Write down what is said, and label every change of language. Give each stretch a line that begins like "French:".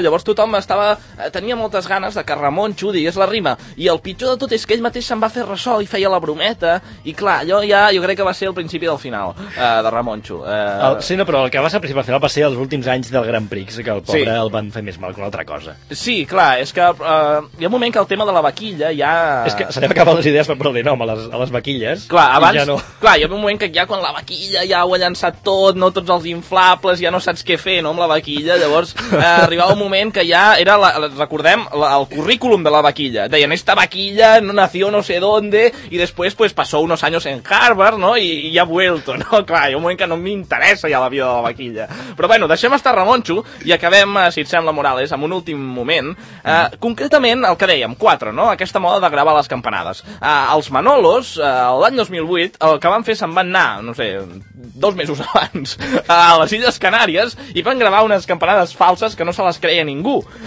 Catalan: Llavors tothom tenia moltes ganes de que Ramonxo digués la rima, i el pitjor de tot és que ell mateix se'n va fer ressò i feia la brometa, i clar, allò ja jo crec que va ser el principi del final de Ramonxo. Sí, no, però el que va ser el principi del final va ser els últims anys del Grand Prix, que el pobre sí. El van fer més mal que una altra cosa. Sí, clar, és que... hi ha un moment que el tema de la vaquilla ja... És que se n'han acabat les idees per dir nom a les vaquilles. Clar, abans, ja no... clar, hi ha un moment que ja quan la vaquilla ja ho ha llançat tot, no tots els inflables, ja no saps què fer, no?, amb la vaquilla. Llavors, arribava un moment que ja era, el currículum de la vaquilla. Deien,
Spanish: esta vaquilla no nació no sé dónde,
Catalan: i després,
Spanish: pues, pasó unos años en Harvard, no?, i ha vuelto, no?
Catalan: Clar, hi ha un moment que no m'interessa ja la vida de la vaquilla. Però, bueno, deixem estar Ramonxo i acabem, si et sembla, Morales, amb un últim moment. Concretament, el que dèiem, 4, no?, aquesta moda de gravar les campanades. Els Manolos, l'any 2008, el que van fer, se'n van anar, no sé, 2 mesos abans, a les Illes Canàries, i van gravar unes campanades falses que no se les creia ningú.